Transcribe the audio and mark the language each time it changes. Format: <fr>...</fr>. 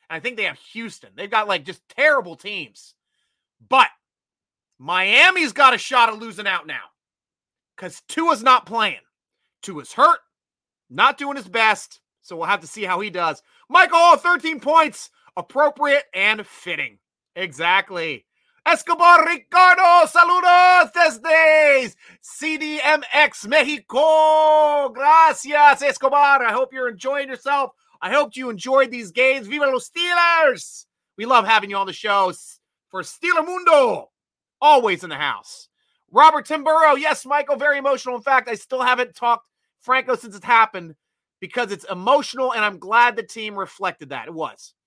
<en>And I think they have Houston. They've got, just terrible teams. But Miami's got a shot of losing out now. Because Tua's not playing. Tua's hurt. Not doing his best. So we'll have to see how he does. Michael, 13 points. Appropriate and fitting. Exactly.</en> <es>Escobar Ricardo, saludos desde CDMX Mexico. Gracias, Escobar.</es> <en>I hope you're enjoying yourself. I hope you enjoyed these games.</en> <es>Viva los Steelers.</es> <en>We love having you on the show for Steeler Mundo. Always in the house. Robert Timburo, yes, Michael, very emotional. In fact, I still haven't talked Franco since it happened because it's emotional, and I'm glad the team reflected that. It was.</en>